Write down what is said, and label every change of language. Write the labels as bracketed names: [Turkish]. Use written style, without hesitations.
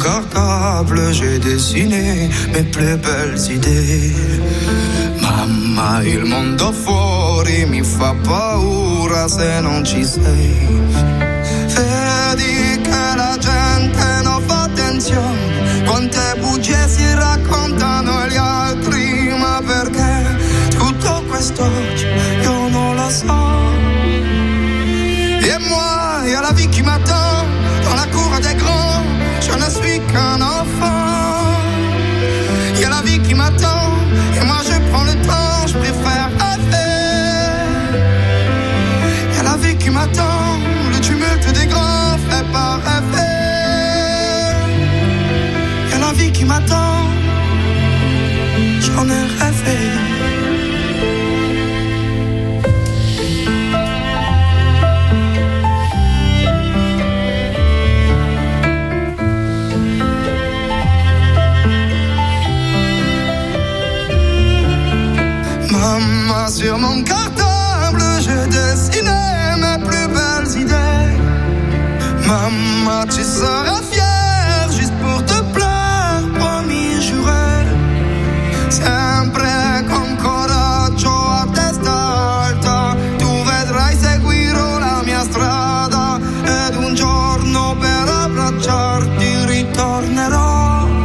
[French] table, j'ai dessiné mes plus belles idées. [Italian] Mamma, il mondo fuori mi fa paura se non ci sei. Vedi che la gente non fa attenzione, quante bugie si raccontano gli altri, ma perché tutto quest'oggi io non lo so. [French] E moi, à la vie qui m'attend, dans la cour des grands, je ne suis qu'un enfant. Y a la vie qui m'attend, et moi je prends le temps, je préfère rêver. Y a la vie qui m'attend, le tumulte des grands fait pas rêver. Y a la vie qui m'attend, j'en ai rêvé. Sur mon cartable, je dessinais mes plus belles idées. Mamma, tu seras fière juste pour te plaire, promis juré. [Italian] Sempre con coraggio a testa alta, tu vedrai seguirò la mia strada. Ed un giorno per abbracciarti ritornerò.